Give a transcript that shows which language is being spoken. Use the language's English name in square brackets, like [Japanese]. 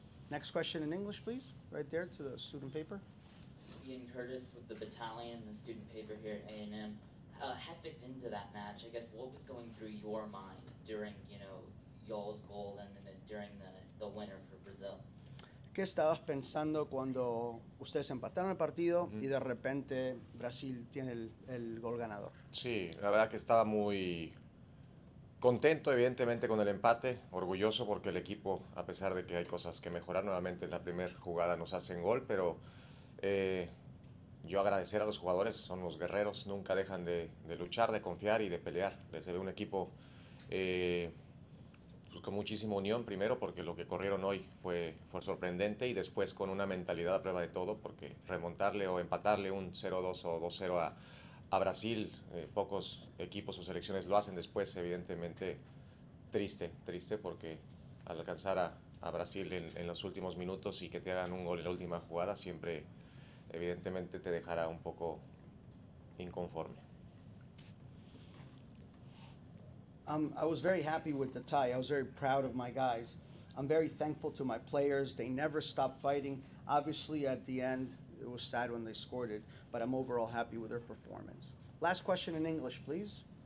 [English] Next question in English, please. Right there to the student paper. Ian Curtis with the Battalion, the student paper here at A&M. Hectic into that match, I guess, what was going through your mind during, you know, y'all's goal and during the winner for Brazil? [Spanish] ¿Qué estabas pensando cuando ustedes empataron el partido y de repente Brasil tiene el gol ganador? Sí, la verdad que estaba muy contento, evidentemente, con el empate, orgulloso porque el equipo, a pesar de que hay cosas que mejorar, nuevamente en la primera jugada nos hacen gol, pero yo agradecer a los jugadores, son los guerreros, nunca dejan de luchar, de confiar y de pelear. Desde un equipo con muchísima unión, primero porque lo que corrieron hoy fue sorprendente y después con una mentalidad a prueba de todo, porque remontarle o empatarle un 0-2 o 2-0 a Brasil, pocos equipos o selecciones lo hacen después, evidentemente triste porque al alcanzar a Brasil en los últimos minutos y que te hagan un gol en la última jugada, siempre evidentemente te dejará un poco inconforme. [English] I was very happy with the tie. I was very proud of my guys. I'm very thankful to my players. They never stopped fighting. Obviously, at the end, it was sad when they scored it, but I'm overall happy with their performance. Last question in English, please.